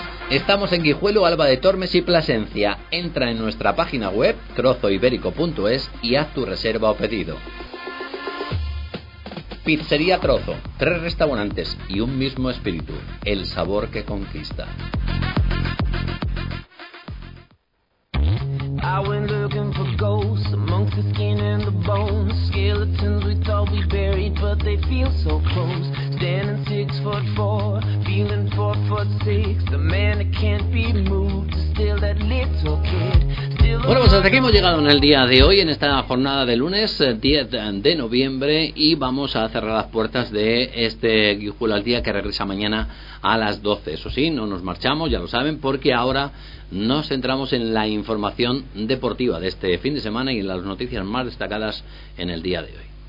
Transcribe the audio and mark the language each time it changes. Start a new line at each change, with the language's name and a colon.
Spanish: Estamos en Guijuelo, Alba de Tormes y Plasencia. Entra en nuestra página web, trozoibérico.es, y haz tu reserva o pedido. Pizzería Trocho, tres restaurantes y un mismo espíritu, el sabor que conquista.
English: I went looking for ghosts amongst the skin and the bones. Skeletons we thought we buried, but they feel so close. Standing 6'4", feeling 4'6". The man that can't be moved, still that little kid.
Spanish: Bueno, pues hasta aquí hemos llegado en el día de hoy, en esta jornada de lunes 10 de noviembre, y vamos a cerrar las puertas de este Guijuelo al Día, que regresa mañana a las 12. Eso sí, no nos marchamos, ya lo saben, porque ahora nos centramos en la información deportiva de este fin de semana y en las noticias más destacadas en el día de hoy.